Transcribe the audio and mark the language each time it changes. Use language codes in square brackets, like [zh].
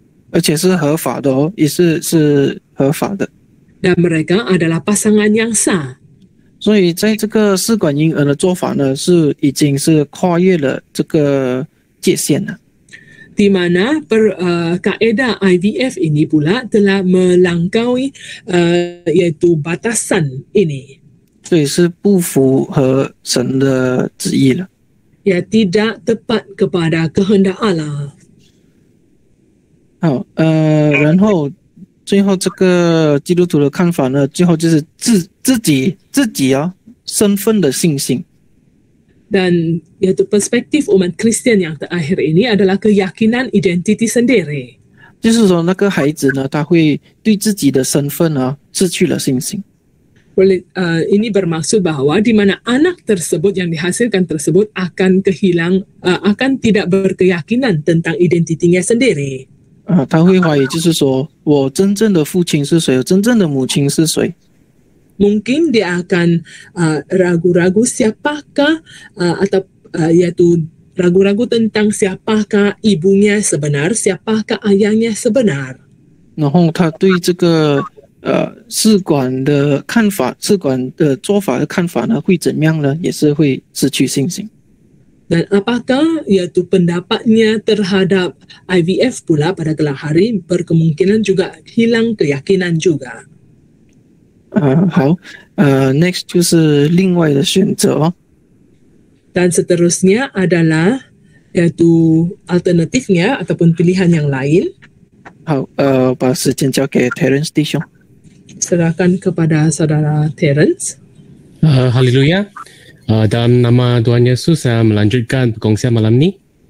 [zh] 而且是合法的哦，也是合法的。 [ms] Dan mereka adalah pasangan yang sah. [zh] 所以在这个试管婴儿的做法呢，是已经是跨越了这个界限了。 [ms] Di mana kaedah IVF ini pula telah melangkaui yaitu batasan ini. [zh] 所以是不符合神的旨意了。 [ms] Ya tidak tepat kepada kehendak Allah. [zh] 好，然后。最后这个基督徒的看法呢，最后就是自己啊身份的信心。 [ms] Dan yaitu perspektif umat Kristian yang terakhir ini adalah keyakinan identiti sendiri。 [zh] 就是说那个孩子呢，他会对自己的身份啊失去了信心。 [ms] Ini bermaksud bahwa di mana anak tersebut yang dihasilkan tersebut akan kehilang, akan tidak berkeyakinan tentang identitinya sendiri。 [zh] 他会怀疑，就是说我真正的父亲是谁，我真正的母亲是谁。 [ms] Mungkin dia akan ragu-ragu siapakah atau yaitu ragu-ragu tentang siapakah ibunya sebenar, siapakah ayahnya sebenar. [zh] 然后他对这个试管的看法，试管的做法的看法呢，会怎样呢？也是会失去信心。 [ms] Dan apakah yaitu pendapatnya terhadap IVF pula pada kelahari berkemungkinan juga hilang keyakinan juga. [en] How? [zh] Next 就是另外的选择. [ms] Dan seterusnya adalah yaitu alternatifnya ataupun pilihan yang lain. How? Pasti Terence Dishon. Serahkan kepada saudara Terence. Haleluya. Dalam nama Tuhan Yesus, saya melanjutkan perkongsian malam ini.